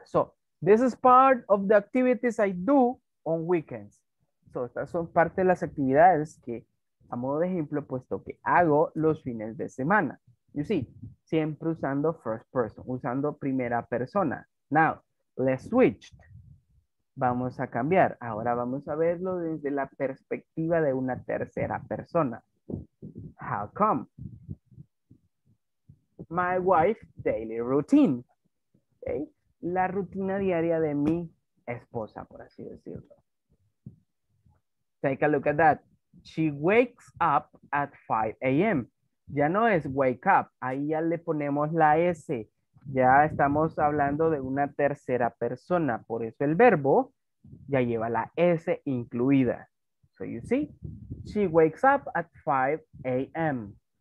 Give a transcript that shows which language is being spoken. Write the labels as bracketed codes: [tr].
[en] So, this is part of the activities I do on weekends. [es] So, estas son parte de las actividades que, a modo de ejemplo, puesto que hago los fines de semana. [en] You see, [es] siempre usando first person, usando primera persona. [en] Now, let's switch. [es] Vamos a cambiar. Ahora vamos a verlo desde la perspectiva de una tercera persona. [en] How come? My wife's daily routine. Okay. [es] La rutina diaria de mi esposa, por así decirlo. [en] Take a look at that. She wakes up at 5 a.m. [es] Ya no es [en] wake up. [es] Ahí ya le ponemos la S. Ya estamos hablando de una tercera persona. Por eso el verbo ya lleva la S incluida. [en] So you see, she wakes up at 5 a.m.